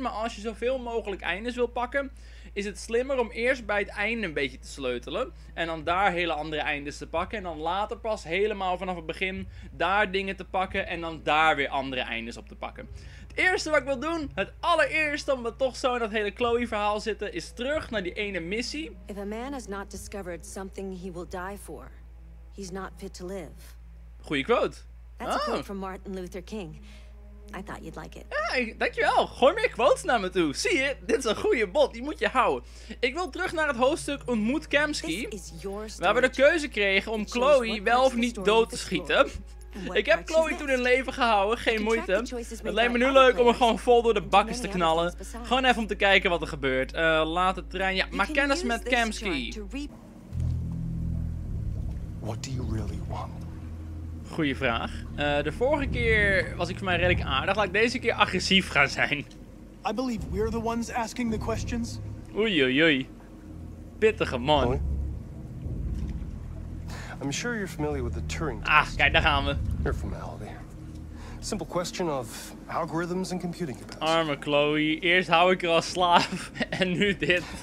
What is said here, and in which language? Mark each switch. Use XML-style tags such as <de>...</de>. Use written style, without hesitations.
<nl>Maar als je zoveel mogelijk eindes wil pakken, is het slimmer om eerst bij het einde een beetje te sleutelen. En dan daar hele andere eindes te pakken. En dan later pas helemaal vanaf het begin daar dingen te pakken. En dan daar weer andere eindes op te pakken. Het eerste wat ik wil doen, het allereerste, omdat we toch zo in dat hele Chloe verhaal zitten, is terug naar die ene missie.</nl> <en>If a man has not discovered something he will die for, he's not fit to live.</en> <nl>Goeie quote.</nl> <en>That's a quote from Martin Luther King. I thought you'd like it.</en> <nl>Ja, dankjewel. Gooi meer quotes naar me toe. Zie je? Dit is een goede bot. Die moet je houden. Ik wil terug naar het hoofdstuk Ontmoet Kamsky. Waar we de keuze kregen om Chloe wel of niet dood te schieten. Ik heb Chloe toen in leven gehouden. Geen moeite. Het lijkt me nu leuk om er gewoon vol door de bakken te knallen. Gewoon even om te kijken wat er gebeurt. Laat het trein. Ja, maak kennis met Kamsky.</nl> <en>What do you really want?</en> <nl>Goeie vraag. De vorige keer was ik voor mij redelijk aardig. Laat ik deze keer agressief gaan zijn.</nl> <en>I believe we're the ones asking the questions.</en> <nl>Oei, oei, oei. Pittige man.</nl> <en>I'm sure you're familiar with the Turing test.</en> <nl>Ah, kijk, daar gaan we.</nl> <en>You're formality. Simple question of algorithms and computing capacity.</en> <nl>Arme Chloe, eerst hou ik er als slaaf en nu dit.</nl>